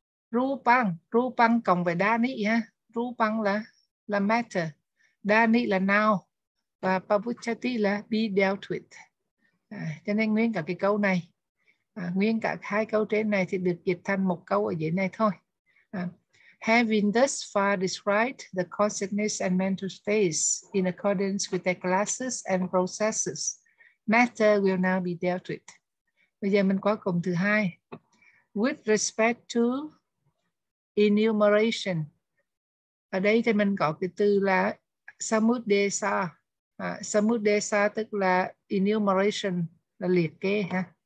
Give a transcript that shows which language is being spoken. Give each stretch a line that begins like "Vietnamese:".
Vietnamese: Rupang cộng với dani ha. Rupang là matter. Dani là now. Và pavuchati là
English: be dealt with.
Vietnamese: Cho nên nguyên cả cái câu này, nguyên cả hai câu trên này thì được dịch thành một câu ở dưới này thôi.
English: Having thus far described the consciousness and mental states in accordance with their classes and processes, matter will now be dealt with.
Vietnamese: Bây giờ mình qua cụm thứ hai.
English: With respect to enumeration.
Vietnamese: Ở đây thì mình có cái từ là samudesa. Samudesa tức là enumeration, là liệt kê ha.